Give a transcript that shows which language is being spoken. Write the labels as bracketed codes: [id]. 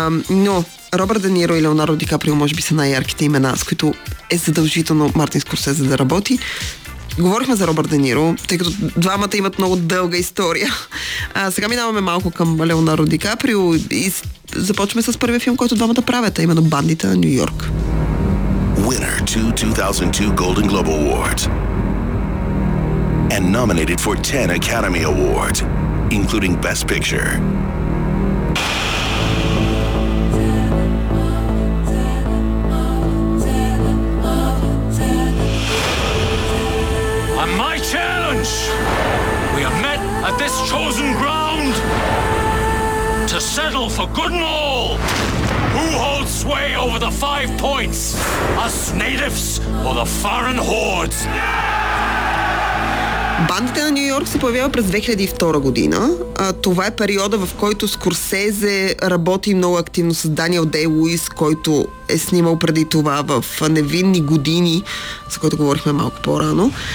[bg] Но Робърт Де Ниро и Леонардо Ди Каприо може би са най-ярките имена, с които е задължително Мартин Скорсезе да работи. Говорихме за Робърт Де Ниро, тъй като двамата имат много дълга история. Сега минаваме малко към Леонардо Ди Каприо и започваме с първия филм, който двамата правят, а именно Бандите на Нью Йорк. [en] Winner two 2002 Golden Globe Awards and nominated for 10 Academy Awards, including Best Picture. This chosen ground to settle for good and all. Who holds sway over the five points? Us natives or the foreign hordes? [bg] Бандите на Нью Йорк се появява през 2002 година. Това е периода, в който Скорсезе работи много активно с Даниел Дей-Луис, който е снимал преди това в Невинни години, за който говорихме малко по-рано.